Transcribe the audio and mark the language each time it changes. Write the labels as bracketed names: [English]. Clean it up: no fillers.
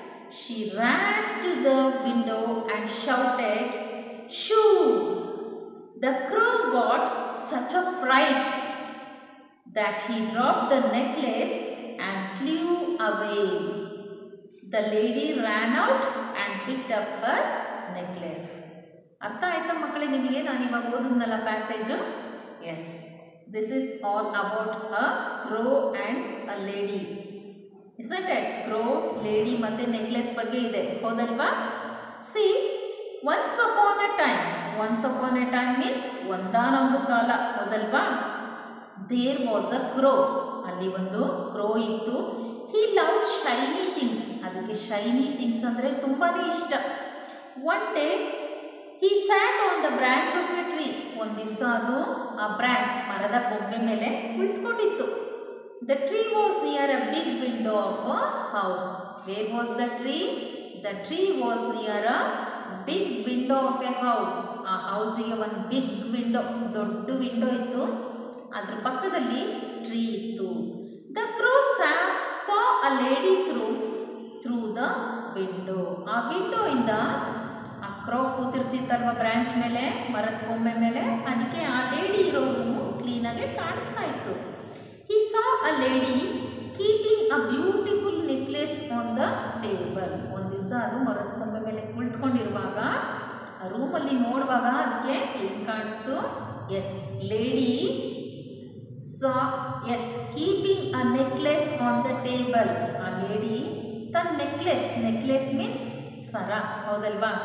[English] She ran to the window and shouted, "Shoo!" The crow got such a fright that he dropped the necklace and flew away. The lady ran out and picked up her necklace. [Kannada] ಅರ್ಥ ಆಯ್ತಾ ಮಕ್ಕಳೆ ನಿಮಗೆ ನಾನು ಇವಾಗ ಓದಿದ್ನಲ್ಲ passage? S. [English] This is all about a crow and a lady. Isn't it? Crow, lady, [Kannada] ಮತ್ತೆ necklace ಬಗ್ಗೆ ಇದೆ, ಹೌದಲ್ವಾ? [English] see, once upon a time, once upon a time means [Kannada] ಒಂದಾನೊಂದು ಕಾಲ, ಹೌದಲ್ವಾ? [English] there was a crow, [Kannada] ಅಲ್ಲಿ ಒಂದು ಕ್ರೋ ಇತ್ತು. [English] he love shiny things, [Kannada] ಅದಕ್ಕೆ ಶೈನಿ ಥಿಂಗ್ಸ್ ಅಂದರೆ ತುಂಬಾ ಇಷ್ಟ. [English] one day he sat on the branch of a tree, [Kannada] ಒಂದು ದಿವಸ ಅದು ಆ ಬ್ರ್ಯಾಂಚ್ ಮರದ ಬೊಂಬೆ ಮೇಲೆ ಕುಳಿತುಕೊಂಡಿತ್ತು. [English] The tree was near a big window of a house. Where was the tree? The tree was near a big window of a house. [Kannada] A house ಗೆ ಒಂದು big window, ದೊಡ್ಡ window ಇತ್ತು, ಅದರ ಪಕ್ಕದಲ್ಲಿ ಟ್ರೀ ಇತ್ತು. [English] The crow saw a lady's room through the window. [Kannada] ಆ window ಇಂದ ಆ ಕ್ರೋ ಕೂತಿರ್ತಿತ್ತಲ್ವ ಬ್ರ್ಯಾಂಚ್ ಮೇಲೆ ಮರದ ಕೊಂಬೆ ಮೇಲೆ, ಅದಕ್ಕೆ ಆ ಲೇಡಿ ಇರೋ ರೂಮು ಕ್ಲೀನಾಗೆ ಕಾಣಿಸ್ತಾ ಇತ್ತು. [English] A lady keeping a beautiful necklace on the table. [Kannada] ಒಂದು ದಿವಸ ಅದು ಮರದ ಕೊಂಬೆ ಮೇಲೆ ಕುಳಿತುಕೊಂಡಿರುವಾಗ ಆ ರೂಮಲ್ಲಿ ನೋಡುವಾಗ ಅದಕ್ಕೆ ಏನ್ ಕಾಣಿಸ್ತು? [English] Yes, lady saw, yes, keeping a necklace on the table. [Kannada] ಆ ಲೇಡಿ ತನ್ನ ನೆಕ್ಲೆಸ್, ನೆಕ್ಲೆಸ್ ಮೀನ್ಸ್ ಸರ, ಹೌದಲ್ವಾ?